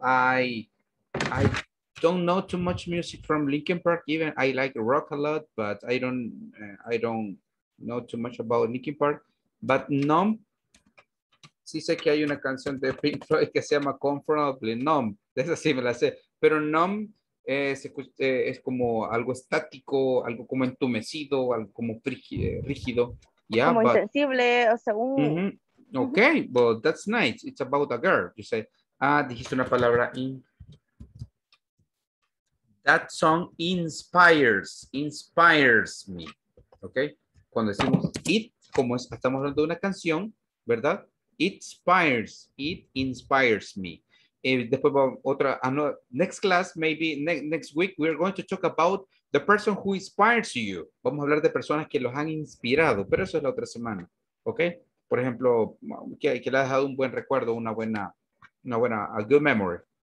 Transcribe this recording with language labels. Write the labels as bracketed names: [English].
[English] I don't know too much music from Linkin Park. Even I like rock a lot, but I don't know too much about Linkin Park. But Numb. [Spanish] Sí sé que hay una canción de Pink Floyd que se llama Comfortably Numb. Esa sí me la sé. Pero Numb es como algo estático, algo como entumecido, algo como rígido. [English] Yeah, [Spanish] como insensible, o sea, un... [English] Mm-hmm. Okay, well, that's nice. It's about a girl. You say, [Spanish] dijiste una palabra. [English] That song inspires me. Okay? [Spanish] Cuando decimos it, como estamos hablando de una canción, ¿verdad? [English] It inspires me. [Spanish] Después otra, [English] next class, maybe next week, we're going to talk about the person who inspires you. [Spanish] Vamos a hablar de personas que los han inspirado, pero eso es la otra semana, ¿ok? Por ejemplo, que le ha dejado un buen recuerdo, una buena, [English] a good memory.